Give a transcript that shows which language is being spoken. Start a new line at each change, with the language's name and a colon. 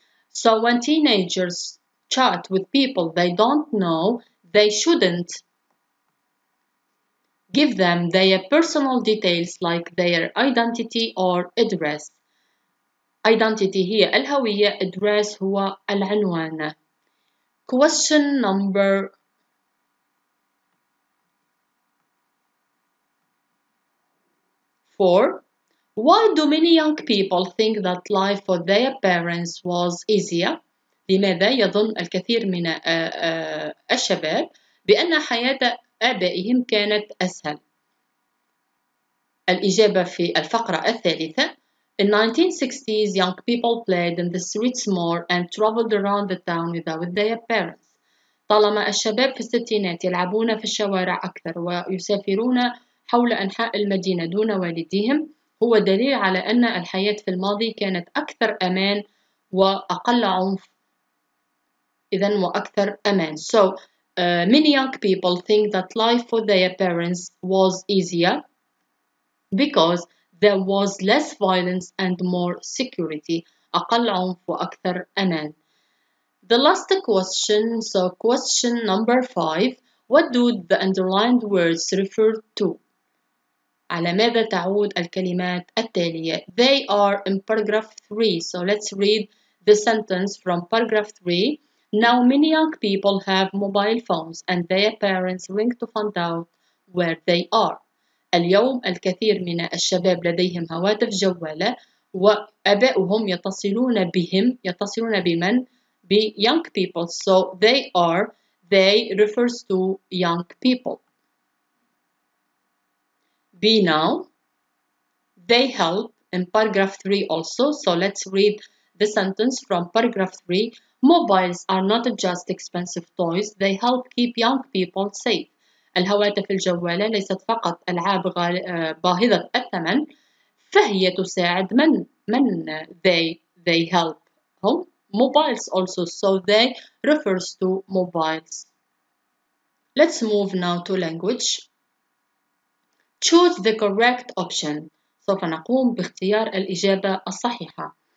English: So when teenagers chat with people they don't know, they shouldn't give them their personal details like their identity or address.
Arabic: Identity هي الهوية، address هو العنوان.
English: Question number 4. Why do many young people think that life for their parents was easier?
Arabic: لماذا يظن الكثير من الشباب بأن حياة آبائهم كانت أسهل؟ الإجابة في الفقرة الثالثة.
English: In 1960s, young people played in the streets more and traveled around the town without their parents.
Arabic: طالما الشباب في الستينات يلعبون في الشوارع أكثر ويسافرون حول أنحاء المدينة دون والديهم، هو دليل على أن الحياة في الماضي كانت أكثر أمان وأقل عنف، إذن وأكثر أمان.
English: So, many young people think that life for their parents was easier because there was less violence and more security.
Arabic: أقل عنف وأكثر أمان.
English: The last question, so question number 5. What do the underlined words refer to?
Arabic: على ماذا تعود الكلمات التالية؟
English: They are in paragraph 3. So let's read the sentence from paragraph 3. Now many young people have mobile phones and their parents ring to find out where they are.
Arabic: اليوم الكثير من الشباب لديهم هواتف جوالة وأباؤهم يتصلون بهم، يتصلون بمن؟ ب young people.
English: So they are, they refers to young people. Be now, they help in paragraph 3 also. So let's read the sentence from paragraph 3. Mobiles are not just expensive toys, they help keep young people safe.
Arabic: الهواتف الجوالة ليست فقط ألعاب باهظة الثمن، فهي تساعد من؟ من؟
English: They help
Arabic: هم.
English: Mobiles also, so they refers to mobiles. Let's move now to language. Choose the correct option.
Arabic: سوف نقوم باختيار الإجابة الصحيحة.